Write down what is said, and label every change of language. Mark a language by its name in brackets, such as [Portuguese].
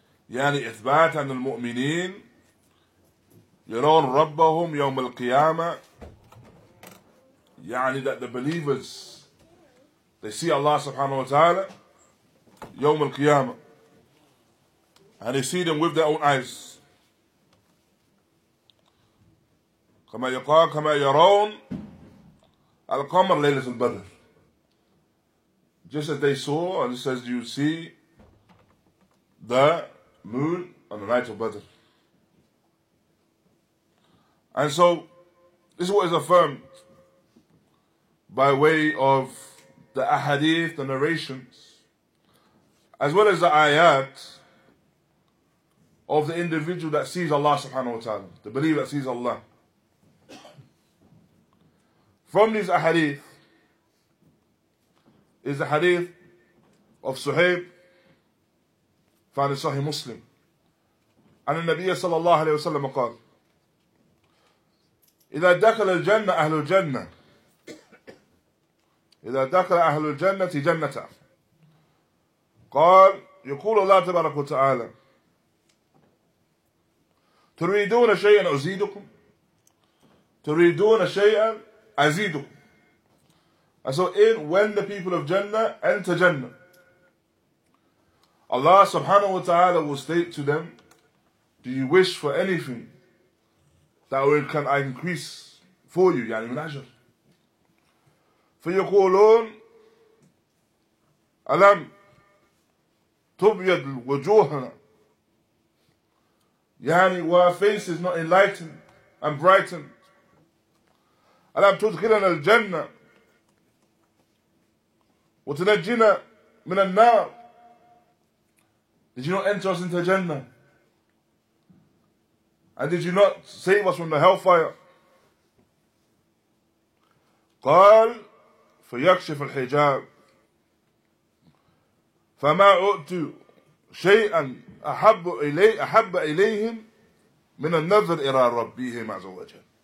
[Arabic] Yani ithbat an al-mu'mineen yaraun rabbahum yawm al-qiyamah. [English] Yani that the believers, they see Allah subhanahu wa ta'ala yawm al-qiyamah, and they see them with their own eyes. [Arabic] كما يقال كما يرون القمر ليلة البدر. [English] Just as they saw and just as you see the moon on the night of Badr. And so this is what is affirmed by way of the ahadith, the narrations, as well as the ayat of the individual that sees Allah subhanahu wa ta'ala, the believer that sees Allah. From these ahadith is the hadith of Suhaib, found in Sahih Muslim. And the [Arabic] Nabiya sallallahu alayhi wa sallam qad, إِذَا دَكَلَ الْجَنَّةِ أَهْلُ الْجَنَّةِ إِذَا دَكَلَ أَهْلُ الْجَنَّةِ جَنَّةَ قال يقول الله تبارك وتعالى تريدون شيئا أزيدكم تريدون شيئا أزيدكم. [English] And so in when the people of Jannah enter Jannah, Allah subhanahu wa ta'ala will state to them, do you wish for anything that will can I increase for you, [Arabic] yani min ajr? فيقولون ألم تبيض وجوهنا يعني [English] our face is not enlightened and brightened [Arabic] ألم تدخلنا الجنة وتنجينا من النار. [English] Did you not enter us into Jannah? And did you not save us from the hellfire? [Arabic] قال فيكشف الحجاب فما أؤت شيئا أحب إليهم من النظر إلى ربهم عز وجل.